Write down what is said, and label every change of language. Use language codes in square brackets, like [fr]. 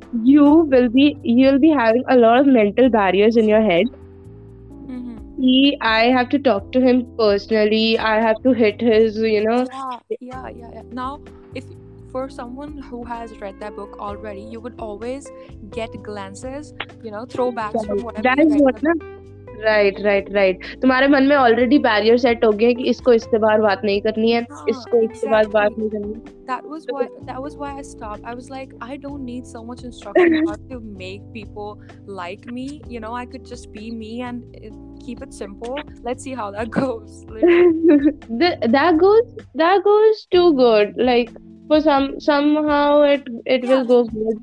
[en] you'll be having a lot of mental barriers in your head. I have to talk to him personally. I have to hit his, you know. Yeah. Now, if for someone who has read that book already, you would always get glances, you know, throwbacks from whatever. That is what, na? Right. [hi] तुम्हारे मन में [en] already [hi] barrier set हो गए कि इसको इससे बाहर बात नहीं करनी है, इसको इससे बाहर बात नहीं करनी. [en] That was why I stopped. I was like, I don't need so much instruction to make people like me. You know, I could just be me and keep it simple. Let's see how that goes. that goes too good. Like for somehow it yeah. will go good.